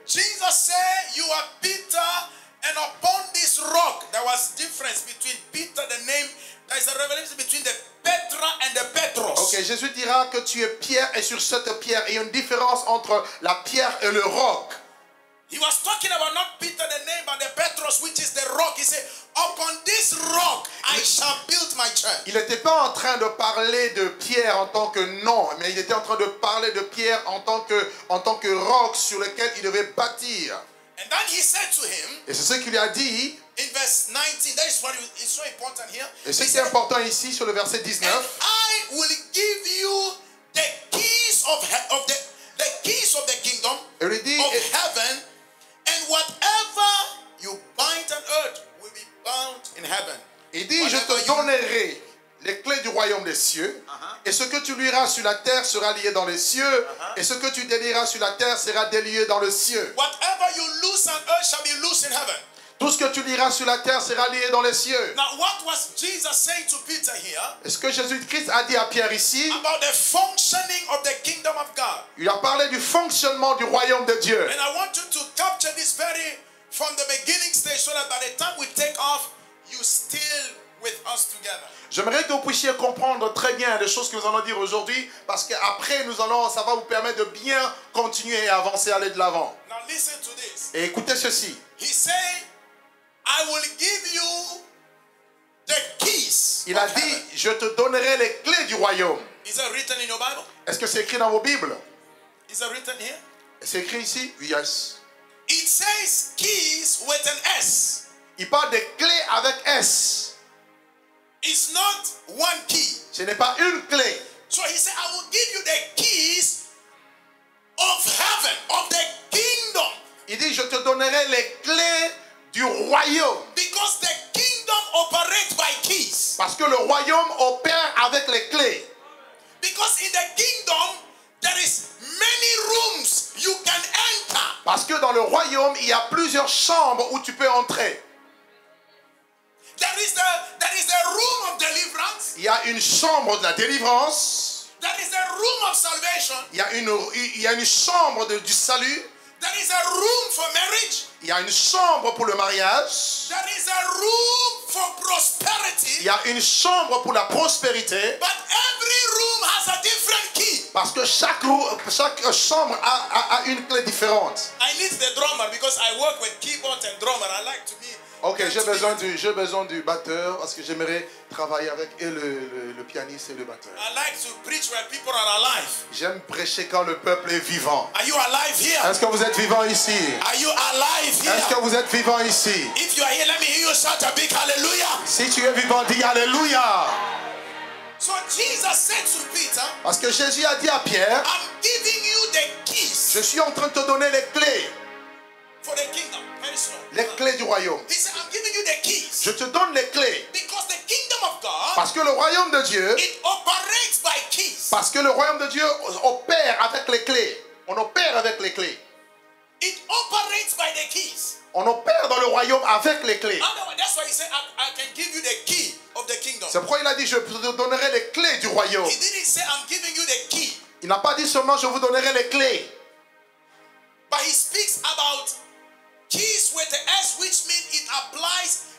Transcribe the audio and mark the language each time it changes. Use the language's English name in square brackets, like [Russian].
[English] Jesus said, "You are Peter, and upon this rock." There was difference between Peter, the name. There is a revelation between the Petra and the Petros. [French] Ok, Jésus dira que tu es Pierre et sur cette pierre, il y a une différence entre la pierre et le roc. [English] He was talking about not Peter the name, but the Petros, which is the rock. He said, upon this rock, I shall build my church. [French] Il n'était pas en train de parler de pierre en tant que nom, mais il était en train de parler de pierre en tant que roc sur lequel il devait bâtir. [English] And then he said to him, [French] et c'est ce qu'il a dit. [English] In verse 19, that is what is so important here. [French] Et c'est important ici sur le verset 19. [English] I will give you the keys of the kingdom of heaven, and whatever you bind on earth will be bound in heaven. [French] Il dit, je te donnerai les clés du royaume des cieux, et ce que tu lieras sur la terre sera lié dans les cieux, et ce que tu délieras sur la terre sera délié dans le ciel. [English] Whatever you loose on earth shall be loosed in heaven. [French] Tout ce que tu liras sur la terre sera lié dans les cieux. [English] Now, what was Jesus saying to Peter here? [French] Est-ce que Jésus-Christ a dit à Pierre ici? [English] About the functioning of the kingdom of God. [French] Il a parlé du fonctionnement du royaume de Dieu. [English] And I want you to capture this very from the beginning stage, so that by the time we take off, you still with us together. [French] J'aimerais que vous puissiez comprendre très bien les choses que nous allons dire aujourd'hui, parce que après nous allons, ça va vous permettre de bien continuer et avancer, aller de l'avant. [English] Now, listen to this. [French] Et écoutez ceci. [English] He said, I will give you the keys. [French] Il a dit, [English] heaven. [French] Je te donnerai les clés du royaume. [English] Is it written in your Bible? [French] Est-ce que c'est écrit dans vos Bibles? [English] Is it written here? [French] C'est écrit ici? [English] Yes. It says keys with an S. [French] Il parle des clés avec S. [English] It's not one key. [French] Ce n'est pas une clé. [English] So he said, I will give you the keys of heaven, of the kingdom. [French] Il dit, je te donnerai les clés du royaume. [English] Because the kingdom operates by keys. [French] Parce que le royaume opère avec les clés. [English] Because in the kingdom there is many rooms you can enter. [French] Parce que dans le royaume il y a plusieurs chambres où tu peux entrer. [English] There is the room of deliverance. [French] Il y a une chambre de la délivrance. [English] There is a room of salvation. [French] Il y a une chambre du salut. [English] There is a room for marriage. [French] Il y a une chambre pour le mariage. [English] There is a room for prosperity. [French] Il y a une chambre pour la prospérité. [English] But every room has a different key. [French] Parce que chaque chambre a une clé différente. [English] I need the drummer because I work with keyboard and drummer. I like to be. [French] Ok, j'ai besoin du batteur parce que j'aimerais travailler avec et le pianiste et le batteur. [English] I like to preach when people are alive. [French] J'aime prêcher quand le peuple est vivant. [English] Are you alive here? [French] Est-ce que vous êtes vivant ici? [English] Are you alive here? [French] Est-ce que vous êtes vivant ici? [English] If you are here, let me hear you shout a big hallelujah. [French] Si tu es vivant, dis alléluia. [English] So Jesus said to Peter. [French] Parce que Jésus a dit à Pierre. [English] I'm giving you the keys. [French] Je suis en train de te donner les clés. [English] For the kingdom, very soon. [French] Les clés du royaume. [English] He said, I'm giving you the keys. [French] Je te donne les clés. [English] Because the kingdom of God, [French] parce que le royaume de Dieu. [English] It operates by keys. [French] Parce que le royaume de Dieu opère avec les clés. On opère avec les clés. [English] It operates by the keys. [French] On opère dans le royaume avec les clés. [English] That's why he said, I can give you the key of the kingdom. [French] C'est pourquoi il a dit, je te donnerai les clés du royaume. [English] He didn't say, I'm giving you the key. [French] Il n'a pas dit seulement, je vous donnerai les clés. [English] But he speaks about keys with the S, which means it applies.